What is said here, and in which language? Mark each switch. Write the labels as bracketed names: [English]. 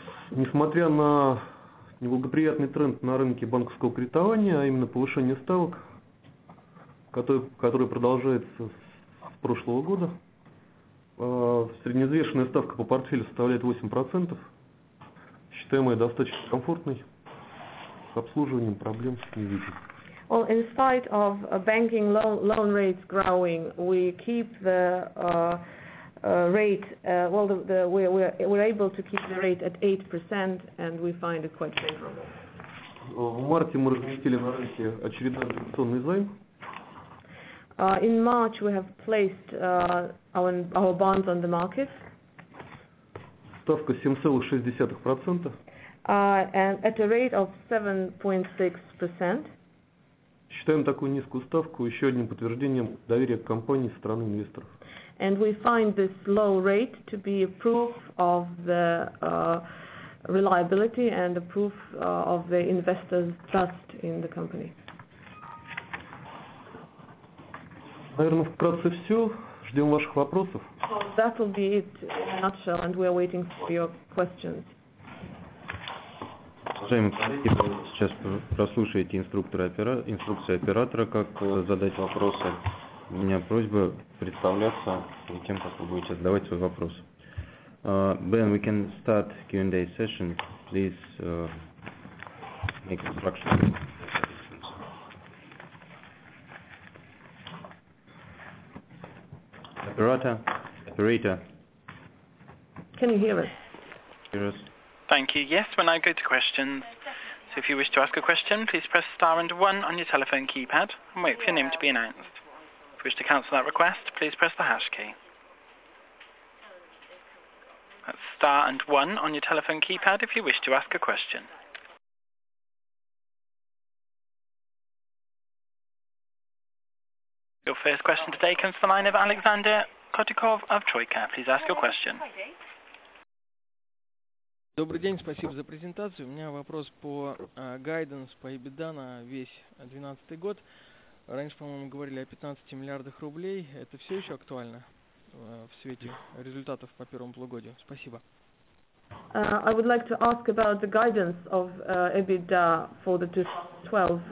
[Russian] Несмотря на неблагоприятный тренд на рынке банковского кредитования, а именно повышение ставок, который продолжается с прошлого года, среднеизвешенная ставка по портфелю составляет 8%, считаемая достаточно комфортной, с обслуживанием проблем не видим. [English] Well, in spite of banking loan rates growing, we keep the rate, well, we're able to keep the rate at 8%, and we find it quite favorable. [Russian] В марте мы разместили на рынке очередной облигационный займ. [English] In March we have placed our bonds on the market. [Russian] Ставка 7.6%. [English] And at a rate of 7.6%. [Russian] Считаем такую низкую ставку еще одним подтверждением доверия к компании со стороны инвесторов. [English] And we find this low rate to be a proof of the reliability and a proof of the investors' trust in the company. [Russian] Наверное, вкратце все. Ждем ваших вопросов. [English] So that will be it in a nutshell, and we are waiting for your questions. [Russian] Уважаемые коллеги, вы сейчас прослушаете инструкции оператора, как задать вопросы. У меня просьба представляться перед тем, как вы будете задавать свой вопрос. [English] Ben, we can start Q&A session. Please make instructions. Operator. Can you hear us? Hear us. Thank you. Yes, we'll now go to questions. So if you wish to ask a question, please press star and one on your telephone keypad and wait for your name to be announced. If you wish to cancel that request, please press the hash key. That's star and one on your telephone keypad if you wish to ask a question. Your first question today comes from the line of Alexander Kotikov of Troika. Please ask your question. [Russian] Добрый день, спасибо за презентацию. У меня вопрос по guidance по EBITDA на весь 2012 год. Раньше, по-моему, говорили о 15 миллиардах рублей. Это все еще актуально в свете результатов по первому полугодию? Спасибо. [English] I would like to ask about the guidance of EBITDA for the 2012.